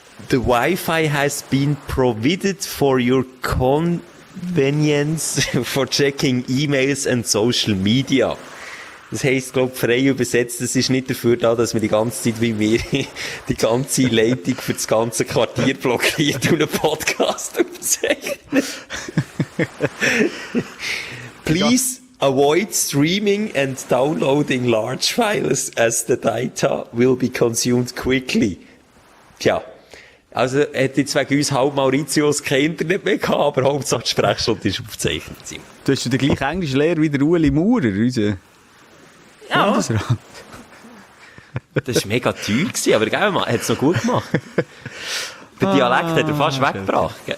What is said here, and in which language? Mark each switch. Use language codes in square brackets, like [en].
[en] The Wi-Fi has been provided for your convenience for checking E-Mails and Social Media. [de] Das heisst, glaube ich, frei übersetzt, es ist nicht dafür da, dass wir die ganze Zeit wie wir die ganze Leitung für das ganze Quartier blockiert und einen Podcast übersetzen. [en] Please avoid streaming and downloading large files as the data will be consumed quickly. Tja. [de] Also, hätte ich wegen uns halb Mauritius kein Internet mehr gehabt, aber Hauptsache die Sprechstunde ist aufzeichnet. Du hast ja den gleichen englischen Lehrer wie der Ueli Maurer, Bundesrat. Das war mega teuer gewesen, aber gell, man hat es noch gut gemacht. Der Dialekt hat er fast weggebracht.